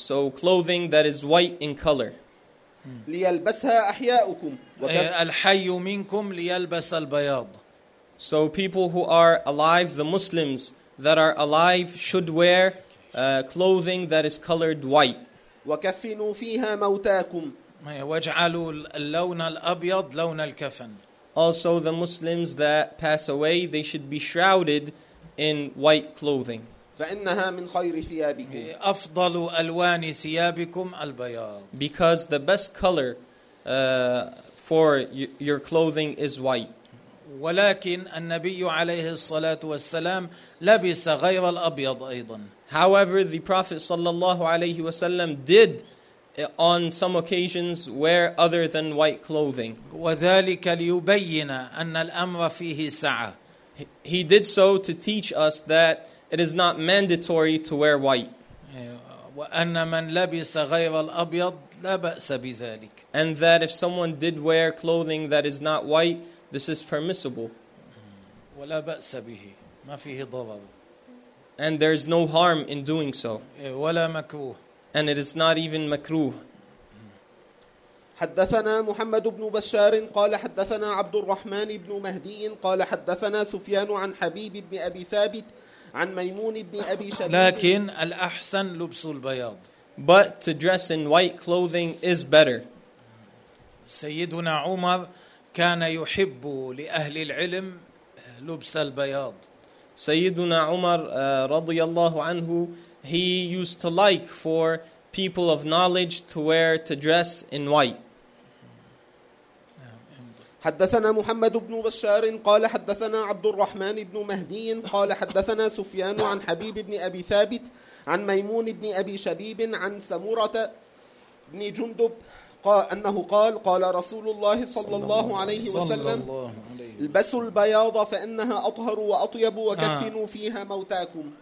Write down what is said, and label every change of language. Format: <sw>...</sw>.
<en>So clothing that is white in color.</en> <ar>ليلبسها أحياؤكم. الحي منكم ليلبس البياض.</ar> <en>So people who are alive, the Muslims that are alive, should wear clothing that is colored white.</en> <ar>وكفنوا فيها موتاكم. واجعلوا اللون الأبيض لون الكفن.</ar> <en>Also, the Muslims that pass away, they should be shrouded in white clothing.</en> <ar>فإنها من خير ثيابكم. أفضل ألوان ثيابكم البياض.</ar> <en>Because the best color for your clothing is white.</en> <ar>ولكن النبي عليه الصلاة والسلام لبس غير الأبيض أيضا.</ar> <en>However, the Prophet sallallahu alayhi wasallam did on some occasions wear other than white clothing.</en> <ar>وذلك ليبين أن الأمر فيه سعة.</ar> <en>He did so to teach us that it is not mandatory to wear white.</en> <ar>وأن من لبس غير الأبيض لا بأس بذلك.</ar> <en>And that if someone did wear clothing that is not white, this is permissible.</en> <ar>ولا بأس به. ما فيه ضرر.</ar> <en>And there is no harm in doing so.</en> <ar>ولا مكروه.</ar> <en>And it is not even مكروه.</en> <ar>حدثنا محمد بن بشار قال حدثنا عبد الرحمن بن مهدي قال حدثنا سفيان عن حبيب بن أبي ثابت عن ميمون بن أبي شبيب. لكن الأحسن لبس البياض.</ar> <en>But to dress in white clothing is better.</en> <ar>سيدنا عمر كان يحب لأهل العلم لبس البياض. سيدنا عمر رضي الله عنه,</ar> <en>he used to like for people of knowledge to wear, to dress in white.</en> <ar>حدثنا محمد بن بشار قال حدثنا عبد الرحمن بن مهدي قال حدثنا سفيان عن حبيب بن أبي ثابت عن ميمون بن أبي شبيب عن سمورة بن جندب أنه قال قال رسول الله صلى الله عليه وسلم البسوا البياض فإنها أطهر وأطيب وكفنوا فيها موتاكم.</ar>